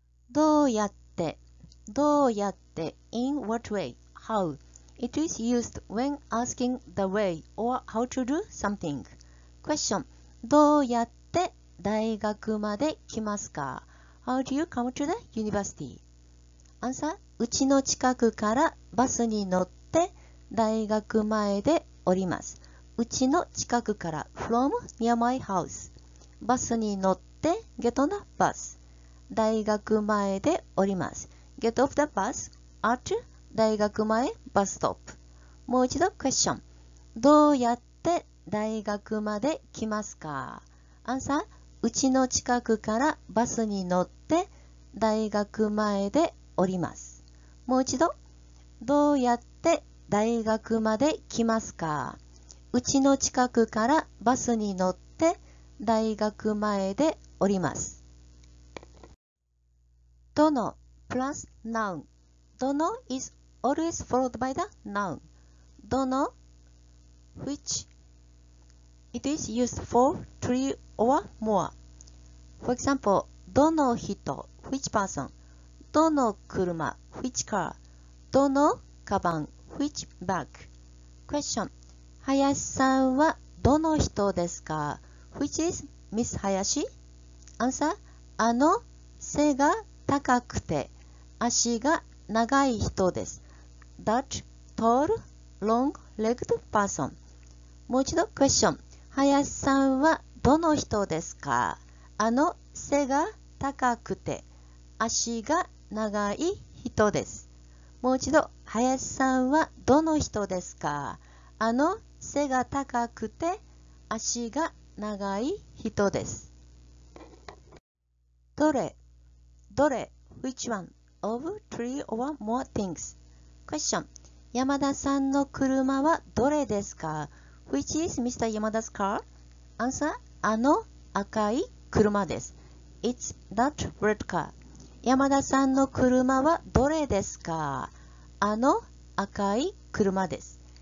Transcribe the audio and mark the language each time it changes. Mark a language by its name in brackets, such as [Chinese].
[Japanese] どうやって、どうやって、 [English] in what way, how? It is used when asking the way or how to do something. Question. [Japanese] どうやって大学まで来ますか [English] ?How do you come to the university? [Japanese] アンサー、うちの近くからバスに乗って大学前で降ります。うちの近くから [English] from near my house。 [Japanese] バスに乗って [English] get on the bus。 [Japanese] 大学前で降ります。 [English] get off the bus at 大学前 bus stop。 [Japanese] もう一度 question。どうやって大学まで来ますか？アンサー、うちの近くからバスに乗って大学前で降ります。もう一度、どうやって大学まで来ますか？うちの近くからバスに乗って大学前で降ります。 [English] どの plus noun。 どの is always followed by the noun。どの which? It is used for three or more. For example, どの人 which person, どの車 which car, どのカバン which bag. [Japanese] Question, 林さんはどの人ですか [English] which is Miss Hayashi? [Japanese] Answer, あの背が高くて足が長い人です。 [English] That tall, long-legged person. [Japanese] もう一度 [English] question. [Japanese] 林さんはどの人ですか？あの背が高くて足が長い人です。もう一度、林さんはどの人ですか？あの背が高くて足が長い人です。どれ？どれ？ [English] Which one of three or more things? [Japanese] Question: 山田さんの車はどれですか？ [English] Which is Mr. Yamada's car? [Japanese] Answer, あの赤い車です。 [English] It's that red car. [Japanese] 山田さんの車はどれですか？あの赤い車です。